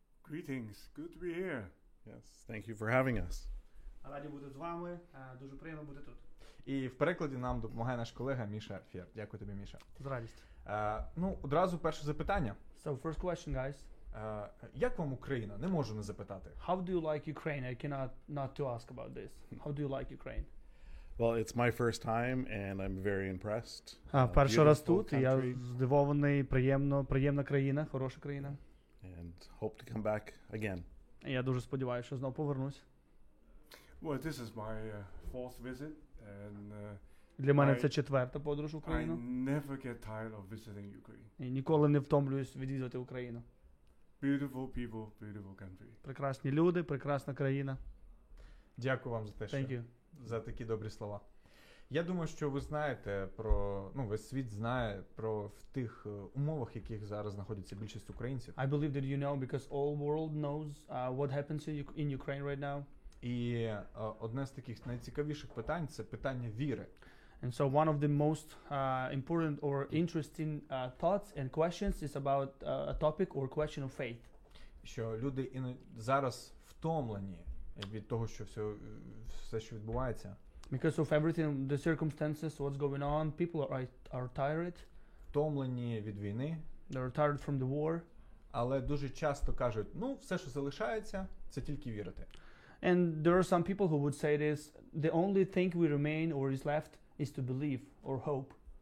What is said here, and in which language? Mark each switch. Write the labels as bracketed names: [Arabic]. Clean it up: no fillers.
[English] Greetings. Good to be here. Yes, thank you for having us. [Ukrainian] Раді бути з вами. Дуже приємно бути тут. І в перекладі нам допомагає наш колега Міша Фєр. Дякую тобі, Міша. З радістю. Ну, одразу перше запитання. [English] So, first question, guys. [Ukrainian] Як вам Україна? Не можу не запитати. [English] How do you like Ukraine? I cannot not to ask about this. How do you like Ukraine? Well, it's my first time and I'm very impressed. [Ukrainian] Перший раз тут, я здивований, приємно, приємна країна, хороша країна. [English] And hope to come back again. [Ukrainian] Я дуже сподіваюся, що знову повернусь. [English] Well, this is my fourth visit and [Ukrainian] для мене це четверта подорож в Україну. [English] I never get tired of visiting Ukraine. [Ukrainian] І ніколи не втомлююсь відвідувати Україну. [English] Beautiful people, beautiful country. [Ukrainian] Прекрасні люди, прекрасна країна. Дякую вам за те, [English] Thank [Ukrainian] що [English] you. [Ukrainian] За такі добрі слова. Я думаю, що ви знаєте про, ну, весь світ знає про в тих умовах, в яких зараз знаходиться більшість українців. [English] I believe that you know because all world knows what happens in Ukraine right now. [Ukrainian] І одне з таких найцікавіших питань це питання віри. [English] And so one of the most important or interesting thoughts and questions is about a topic or question of faith. [Ukrainian] Що люди зараз втомлені від того, що все що відбувається. [English] Because of everything, the circumstances, what's going on, people are tired. [Ukrainian] Втомлені від війни. [English] They're tired from the war. [Ukrainian] Але дуже часто кажуть, ну, все, що залишається, це тільки вірити. [English] And there are some people who would say this, the only thing we remain or is left is to believe or hope.